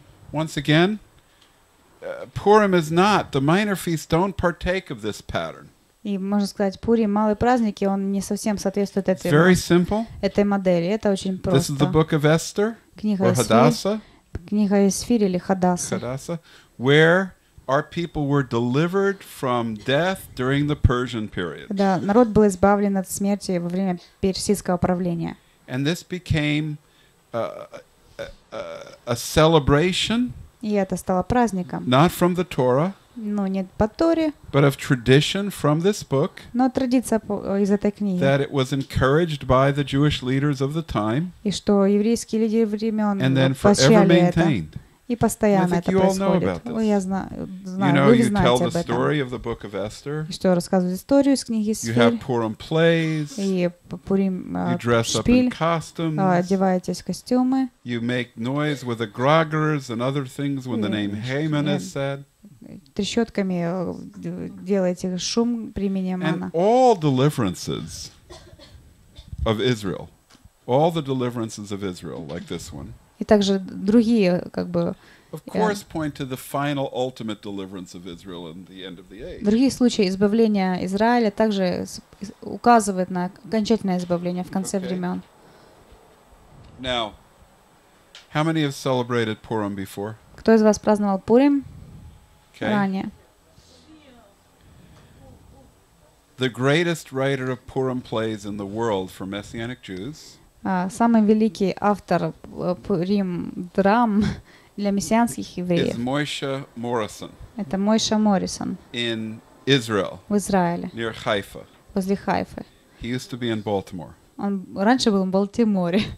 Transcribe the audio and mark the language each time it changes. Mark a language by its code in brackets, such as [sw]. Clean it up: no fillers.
[en] Once again, Purim is not the minor feasts don't partake of this pattern. [ru] И можно сказать, Пурим, малые праздники, он не совсем соответствует этой модели. [en] Very simple. [ru] Этой модели, это очень просто. [en] This is the book of Esther. [ru] Книга Эсфир. Хадаса. Книга Эсфир или Хадаса. Хадаса. [en] Where our people were delivered from death during the Persian period. [ru] Да, народ был избавлен от смерти во время персидского правления. [en] And this became a celebration. [ru] И это стало праздником. [en] Not from the Torah. [ru] Ну, не по Торе. [en] But of tradition from this book. [ru] Но традиция из этой книги. [en] That it was encouraged by the Jewish leaders of the time. [ru] И что еврейские лидеры времён [en] And then forever maintained. [ru] И постоянно это происходит. Вы, я знаю, вы знаете об этом. [en] You tell the story of the book of Esther. [ru] И что, рассказывают историю из книги Эсфир. [en] You have Purim plays. [ru] И Пурим [en] шпиль. You dress up in costumes. [ru] Одеваетесь в костюмы. [en] You make noise with the grogers and other things when the name Haman is said. [ru] Трещотками делаете шум при имени Амана. [en] And all deliverances of Israel. All the deliverances of Israel, like this one. [ru] И также другие, как бы, [en] of course, point to the final, ultimate deliverance of Israel in the end of the age. [ru] Другие случаи избавления Израиля также указывают на окончательное избавление в конце времен. [en] Now, how many have celebrated Purim before? [ru] Кто из вас праздновал Пурим ранее? [en] The greatest writer of Purim plays in the world for Messianic Jews. [ru] Самый великий автор Пурим драм для мессианских евреев. [en] Is Moshe Morrison. [ru] Это Мойша Моррисон. [en] In Israel. [ru] В Израиле. [en] Near Haifa. [ru] Возле Хайфы. [en] He used to be in Baltimore. [ru] Он раньше был в Балтиморе.